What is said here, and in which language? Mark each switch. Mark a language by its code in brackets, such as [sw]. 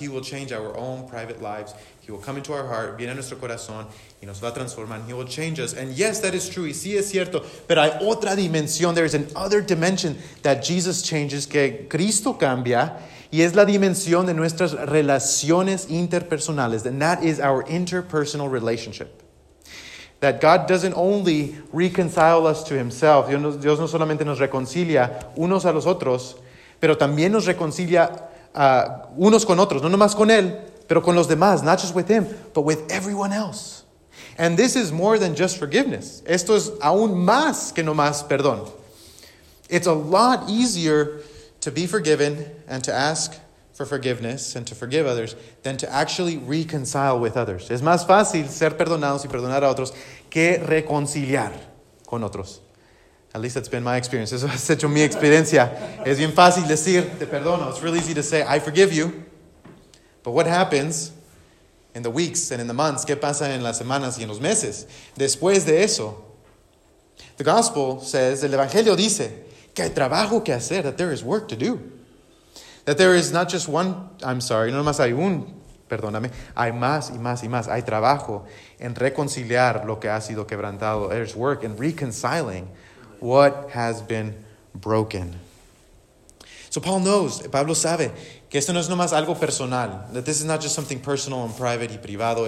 [en] He will change our own private lives. He will come into our heart, [es] viene a nuestro corazón, y nos va a transformar. [en] He will change us. And yes, that is true. [es] Y sí es cierto. Pero hay otra dimensión. [en] There is an other dimension that Jesus changes, [es] que Cristo cambia. Y es la dimensión de nuestras relaciones interpersonales. [en] And that is our interpersonal relationship. That God doesn't only reconcile us to himself. [es] Dios no solamente nos reconcilia unos a los otros, pero también nos reconcilia unos con otros. No nomás con él, pero con los demás. [en] Not just with him, but with everyone else. And this is more than just forgiveness. [es] Esto es aún más que nomás perdón. [en] It's a lot easier to be forgiven and to ask for forgiveness and to forgive others than to actually reconcile with others. [es] Es más fácil ser perdonados y perdonar a otros que reconciliar con otros. [en] At least that's been my experience. [es] Eso has hecho mi experiencia. Es bien fácil decir, te perdono. [en] It's really easy to say, I forgive you. But what happens in the weeks and in the months? [es] ¿Qué pasa en las semanas y en los meses? Después de eso, [en] the gospel says, [es] el evangelio dice, que hay trabajo que hacer, [en] that there is work to do. That there is not just one, I'm sorry, [es] no más hay un, perdóname, hay más y más y más. Hay trabajo en reconciliar lo que ha sido quebrantado. [en] There's work in reconciling what has been broken. So Paul knows, [es] Pablo sabe, que esto no es nomás algo personal. [en] That this is not just something personal and private [es] y privado.